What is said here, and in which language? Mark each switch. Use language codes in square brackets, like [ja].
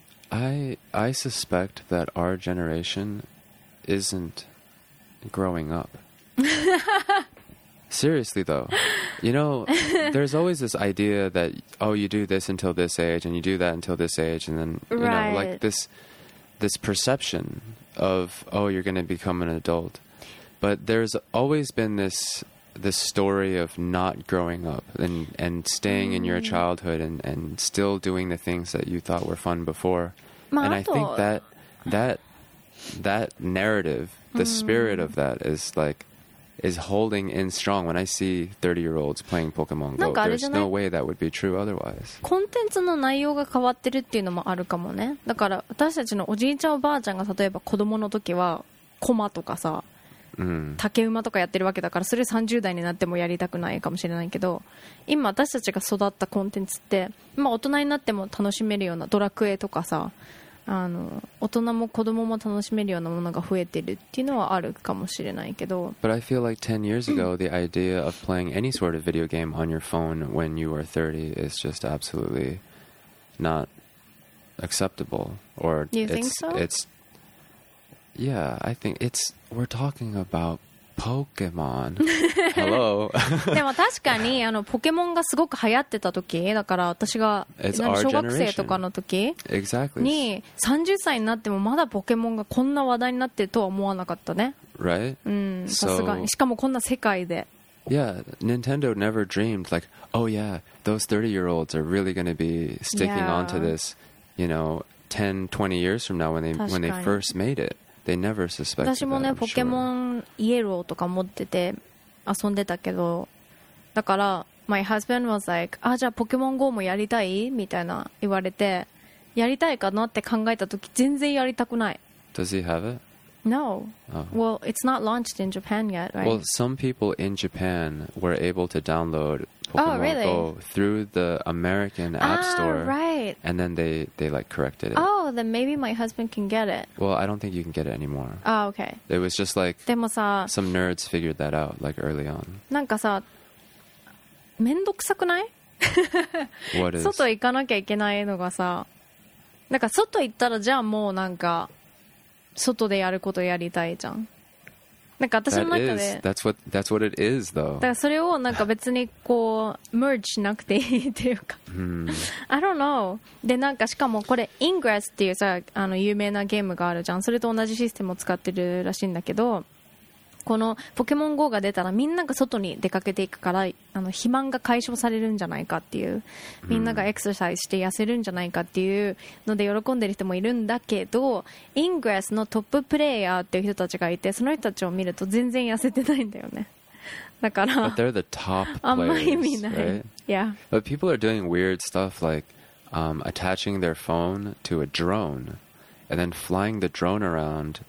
[en] I suspect that our generation isn't growing up. Seriously, though. You know, there's always this idea that, oh, you do this until this age, and you do that until this age, and then, you right. know, like this perception of, oh, you're going to become an adult. But there's always been this story of not growing up and staying in your childhood and still doing the things that you thought were fun before. まあ、 and I think that narrative, the spirit of that is like, is holding in strong. When I see 30-year-olds playing Pokemon Go, there's no way that would be true otherwise. [ja] コンテンツの内容が変わってるっていうのもあるかもね。だから私たちのおじいちゃんおばあちゃんが例えば子供の時は駒とかさ、うん、竹馬とかやってるわけだから、それ30代になってもやりたくないかもしれないけど、今私たちが育ったコンテンツって、まあ、大人になっても楽しめるようなドラクエとかさ、あの大人も子供も楽しめるようなものが増えてるっていうのはあるかもしれないけど、 [en] But I feel like 10 years ago the idea of playing any sort of video game on your phone when you were 30 is just absolutely not acceptable. Or you think so? It's yeah, I think it's we're talking about Pokemon. Hello. [ja] でも確かにあのポケモンがすごく流行ってた時、だから私が小学生とかの時に、 [en] exactly. [ja] 30歳になってもまだポケモンがこんな話題になってるとは思わなかったね。 [en] Right? [ja] うん、さすがに。しかもこんな世界で。 [en] Yeah, Nintendo never dreamed like, oh yeah, those 30-year-olds are really going to be sticking、yeah. onto this, you know, 10, 20 years from now when they first made it. They never suspected [ja] 私もね、 [en] that, [ja] ポケモンイエローとか持ってて遊んでたけど、だから [en] my husband was like、 [ja] あ、じゃあポケモン GO もやりたいみたいな言われて、やりたいかなって考えた時全然やりたくない。 [en] Does he have it? No、 oh. Well, it's not launched in Japan yet, right? Well, some people in Japan were able to download Pokemon、 oh, really? GO through the American App Store、 ah, right. And then they like corrected it、 oh. Then maybe my husband can get it. Well, I don't think you can get it anymore. Oh, okay. It was just like [ja] でもさ、 [en] some nerds figured that out like early on. [ja] なんかさ、めんどくさくない? [en] What is? [ja] 外行かなきゃいけないのがさ、なんか外行ったらじゃあもうなんか外でやることやりたいじゃん。なんか私の中で [en] that is, that's what it is though. [ja] だからそれをなんか別にこう merge しなくていいっていうか、 [en] I don't know. [ja] でなんかしかもこれ Ingress っていうさ、あの有名なゲームがあるじゃん。それと同じシステムを使ってるらしいんだけど、このポケモン GO が出たらみんなが外に出かけていくから、あの肥満が解消されるんじゃないかっていう、みんながエクササイズして痩せるんじゃないかっていうので喜んでる人もいるんだけど、イングレスのトッププレイヤーっていう人たちがいて、その人たちを見ると全然痩せてないんだよね。だから [en] But they're the top players, [ja] あんまり意味ない、 [en] right? yeah. But people are doing weird stuff like、attaching their phone to a droneAnd then flying the drone around.